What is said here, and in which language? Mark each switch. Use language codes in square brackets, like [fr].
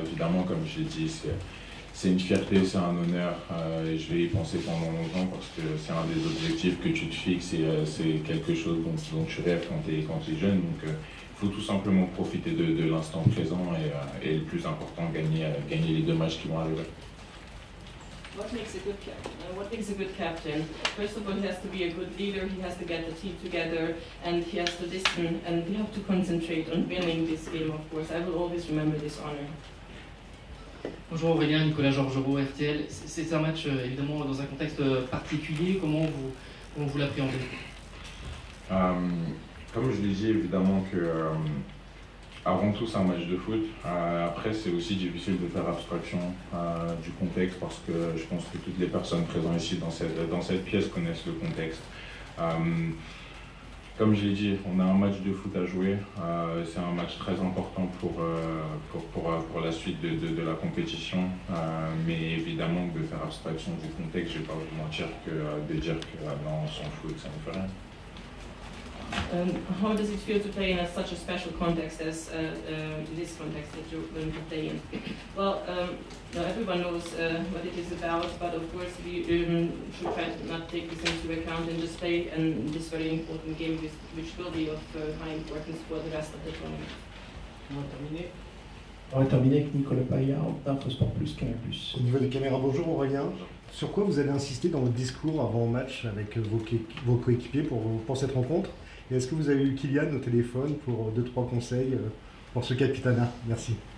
[fr] Évidemment, comme j'ai dit, c'est une fierté, c'est un honneur, et je vais y penser pendant longtemps parce que c'est un des objectifs que tu te fixes et c'est quelque chose dont tu rêves quand t'es jeune. Donc il faut tout simplement profiter de l'instant présent et le plus important, gagner les deux matchs qui vont arriver. [en] What makes a good captain? First of all, he has to be a good leader, he has to get the team together, and he has to listen, and you have to concentrate on winning this game, of course. I will always remember this honor. [fr] Bonjour Aurélien, Nicolas Georgerot, RTL. C'est un match évidemment dans un contexte particulier. Comment vous l'appréhendez? Comme je le disais, évidemment que avant tout, c'est un match de foot. Après, c'est aussi difficile de faire abstraction du contexte parce que je pense que toutes les personnes présentes ici dans cette pièce connaissent le contexte. Comme je l'ai dit, on a un match de foot à jouer. C'est un match très important pour la suite de la compétition. Mais évidemment, de faire abstraction du contexte, je ne vais pas vous mentir que de dire que non, on s'en fout, ça ne fait rien. [en] How does it feel to play in such a special context as this context that you're going to play in? Well, everyone knows what it is about, but of course we should try to not take this into account and just play in this very important game, which will be of high importance for the rest of the tournament. [fr] On va terminer avec Nicolas Paillard, d'InfoSport Plus, Canal Plus. Au niveau des caméras, bonjour Aurélien. Sur quoi vous avez insisté dans votre discours avant le match avec vos coéquipiers pour cette rencontre? Et est-ce que vous avez eu Kylian au téléphone pour 2-3 conseils pour ce capitana? Merci.